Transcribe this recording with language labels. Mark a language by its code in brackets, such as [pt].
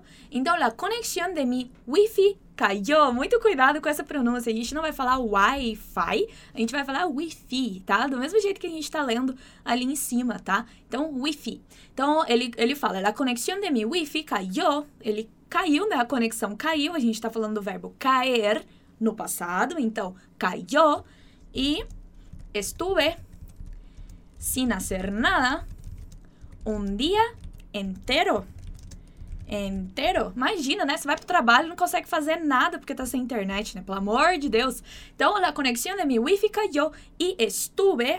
[es] Então, la conexión de mi wifi cayó. [pt] Muito cuidado com essa pronúncia. A gente não vai falar Wi-Fi, a gente vai falar wifi, tá? Do mesmo jeito que a gente tá lendo ali em cima, tá? Então, wifi. Então, ele fala, [es] la conexión de mi wifi cayó. [pt] Ele caiu, né? A conexão caiu. A gente tá falando do verbo caer no passado. Então, cayó. [es] E estuve sin hacer nada un día entero. [pt] Imagina, né? Você vai pro trabalho e não consegue fazer nada porque tá sem internet, né? Pelo amor de Deus. [es] Então, la conexión de mi wifi cayó y estuve.